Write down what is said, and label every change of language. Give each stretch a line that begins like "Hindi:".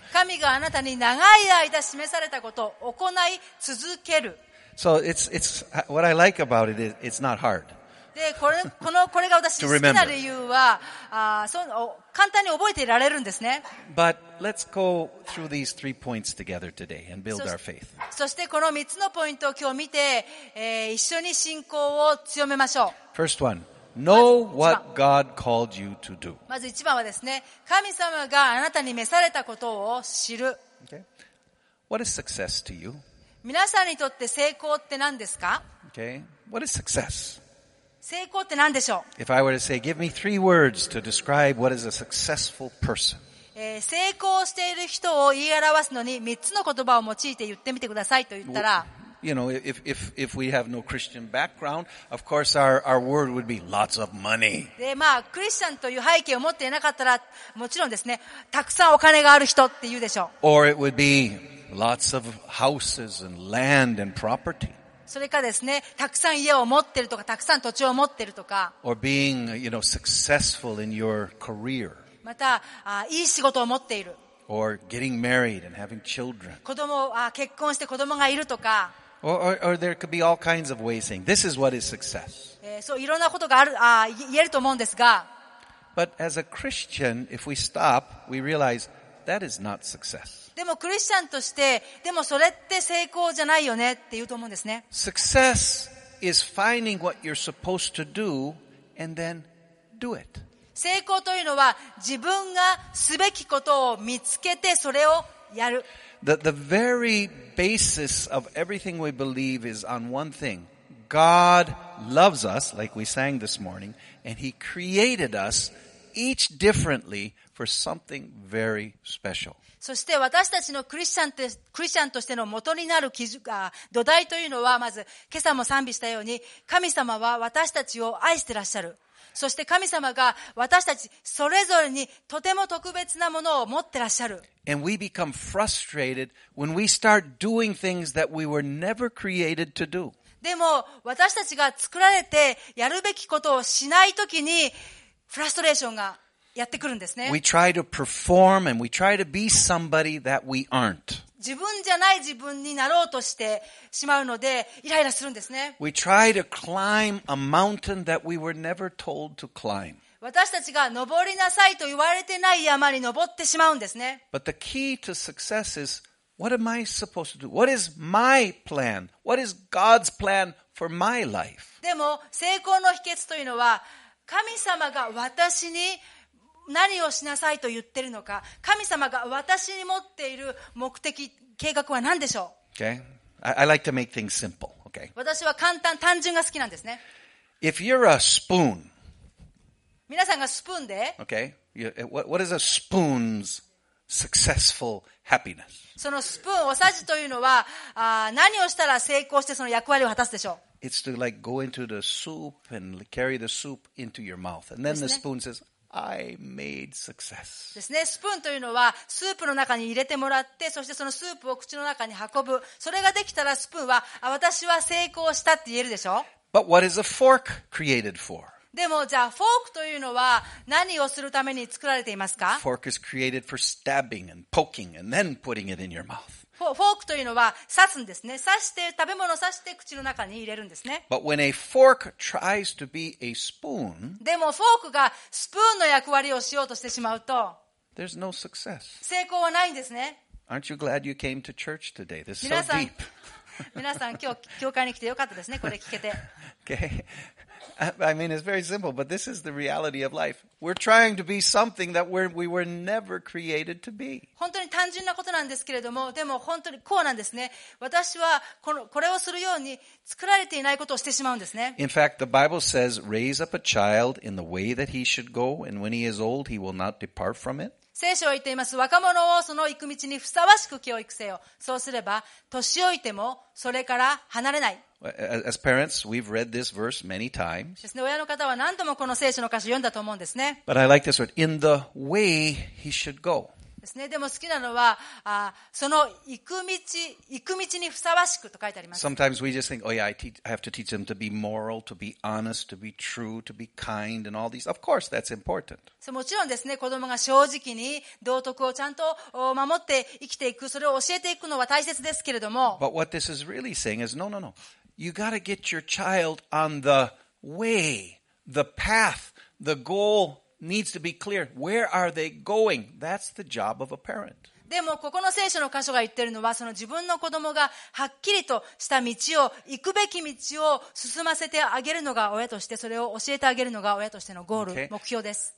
Japanese: 神があなたに長い間示されたことを行い続ける。
English: So it's what I like about it is it's not hard.
Japanese: で、これが私好きな理由は、簡単に覚えていられるんですね。
English: But let's go through these three points together today and build our faith.
Japanese: そしてこの3つのポイントを今日見て、一緒に信仰を強めましょう。
English: First one, know what God called you to do.
Japanese: まず一番はですね、神様があなたに召されたことを知る。
English: Okay. What is success to you?
Japanese: 皆さんにとって成功って何ですか？
English: Okay. What is success?
Japanese: 成功って何でしょう？
English: If I were to say, give me three words to describe what is a successful person.
Japanese: 成功している人を言い表すのに3つの言葉を用いて言ってみてくださいと言ったら、
English: you know, if we have no Christian background, of course our word would be lots of money.
Japanese: で、まあ、クリスチャンという背景を持っていなかったら、もちろんですね、たくさんお金がある人って言うでしょう。
English: Or it would beLots of houses and land and property.
Japanese: それかですね、たくさん家を持ってるとか、たくさん土地を持ってるとか。
English: Or being, you know, successful in your career.
Japanese: また、いい仕事を持っている。
English: Or getting married and having children.
Japanese: 子供、結婚して子供がいるとか。
English: Or there could be all kinds of ways saying, this is what is success.
Japanese: そう、いろんなことがある、言えると思うんですが。
English: But as a Christian, if we stop, we realize that is not success.
Japanese: でもクリスチャンとして、でもそれって成功じゃないよねって言うと思うんですね。
English: Success is finding what you're supposed to do and then do it.
Japanese: 成功というのは自分がすべきことを見つけてそれをやる。
English: The very basis of everything we believe is on one thing. God loves us, like we sang this morning, and He created us each differently for something very special.
Japanese: そして私たちのクリスチャンとしての元になる土台というのは、まず今朝も賛美したように、神様は私たちを愛してらっしゃる。そして神様が私たちそれぞれにとても特別なものを持ってらっしゃる。
English: And we become frustrated when we start doing things that we were never created to do.
Japanese: でも私たちが作られてやるべきことをしないときに、フラストレーションが。やってくるんですね。
English: We try to perform and we try to be somebody that we aren't.
Japanese: 自分じゃない自分になろうとしてしまうので、イライラするんですね。
English: We try to climb a mountain that we were never told to climb.
Japanese: 私たちが登りなさいと言われてない山に登ってしまうんですね。
English: But the key to success is, what am I supposed to do? What is my plan? What is God's plan for my life?
Japanese: でも、成功の秘訣というのは、神様が私に何をしなさいと言ってるのか、神様が私に持っている目的、計画は何でしょう？
English: Okay. I like to make things simple. Okay.
Japanese: 私は簡単、単純が好きなんですね。
English: If you're a spoon,
Japanese: 皆さんがスプーンで、
English: okay. What is a spoon's successful happiness?
Japanese: そのスプーン、おさじというのは、何をしたら成功してその役割を果たすでしょう？
English: It's to like go into the soup and carry the soup into your mouth. And then the spoon says,I made success.
Japanese: ですね。スプーンというのはスープの中に入れてもらって、そしてそのスープを口の中に運ぶ。それができたらスプーンは、あ、私は成功したって言えるでしょ。
English: But what is a fork created for?
Japanese: でもじゃあフォークというのは何をするために作られていますか？
English: Fork is created for stabbing and poking and then putting it in your mouth.
Japanese: フォークというのは刺すんですね。刺して食べ物を刺して口の中に入れるんですね。
English: But when a fork tries to be a spoon,
Japanese: でもフォークがスプーンの役割をしようとしてしまうと、
English: There's no success.
Japanese: 成功はないんですね。
English: Aren't you glad you came to church today? This is so deep.
Japanese: 皆さん今日教会に来てよかったですね。これ聞けて。
English: Okay. I mean, it's very simple, but this is the reality of life. We're trying to be something that we were never created to be.
Japanese: 本当に単純なことなんですけれども、でも本当にこうなんですね。私はこれをするように作られていないことをしてしまうんですね。
English: In fact, the Bible says, raise up a child in the way that he should go, and when he is old, he will not depart from it.
Japanese: 聖書は言っています。若者をその行く道にふさわしく教育せよ。そうすれば、年老いてもそれから離れない。
English: As parents, we've read this verse many times.
Japanese: ですね、親の方は何度もこの聖書の箇所を読んだと思うんですね。
English: But I like this word, in the way he should go.
Japanese: ですね、でも好きなのは、その行く道にふさわしくと書いてあります。
English: Sometimes we just think, oh yeah, I have to teach them to be moral, to be honest, to be true, to be kind, and all these. Of course, that's important.
Japanese: そう、もちろんですね、子供が正直に道徳をちゃんと守って生きていく、それを教えていくのは大切ですけれども。
English: But what this is really saying is, no, no, no. You gotta get your child on the way, the path, the goal needs to be clear. Where are they going? That's the job of a parent.
Japanese: でもここの聖書の箇所が言ってるのは、その自分の子供がはっきりとした道を、行くべき道を進ませてあげるのが親として、それを教えてあげるのが親としてのゴール、目標です。